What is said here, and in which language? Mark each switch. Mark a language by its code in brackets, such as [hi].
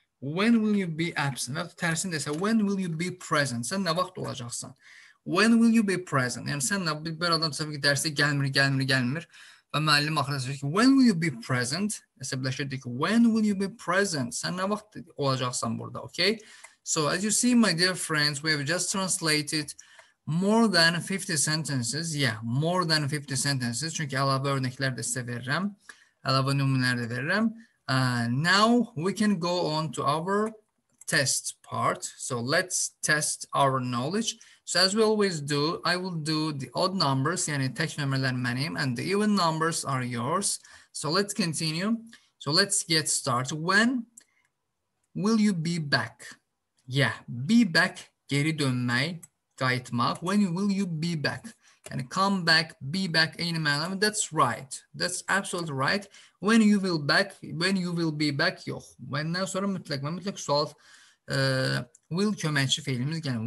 [en] When will you be absent? [az] Yəni tərsini desə, [en] when will you be present? [az] Sən nə vaxt olacaqsan? [en] When will you be present? [az] Yəni sən bir adam səhv ki, dərsə gəlmir. Və müəllim axırda səhv ki, [en] when will you be present? [az] Əsəbləşirdik ki, [en] when will you be present? [az] Sən nə vaxt olacaqsan burada, okay? [en] So, as you see, my dear friends, we have just translated more than 50 sentences, yeah, more than 50 sentences. [az] Çünki əlavə örnəklər də sizə verirəm. Əlavə nümunələr də verirəm. [en] Now we can go on to our test part. So let's test our knowledge. So as we always do, I will do the odd numbers, [az] yəni tək nömrələr mənim, [en] and the even numbers are yours. So let's continue. So let's get started. When will you be back? Yeah, be back, [az] geri dönmək. Qayıtmaq. [en] When will you be back? Yəni, come back, be back, [az] eyni mənim. [en] That's right. That's absolutely right. When you will back, when you will be back, [az] yox. Vəndən sonra mütləq, mütləq sual will köməkçi feylimiz gəlir.